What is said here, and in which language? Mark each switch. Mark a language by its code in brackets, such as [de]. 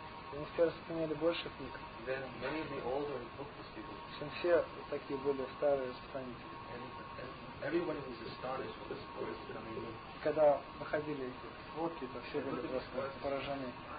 [ru] Они все распространяли больше книг. [en] Then many of the older book distributors. [ru] Чем все такие более старые распространители. [en] And everybody was astonished when the books coming in. [ru] Когда выходили эти сводки, то все были просто поражены.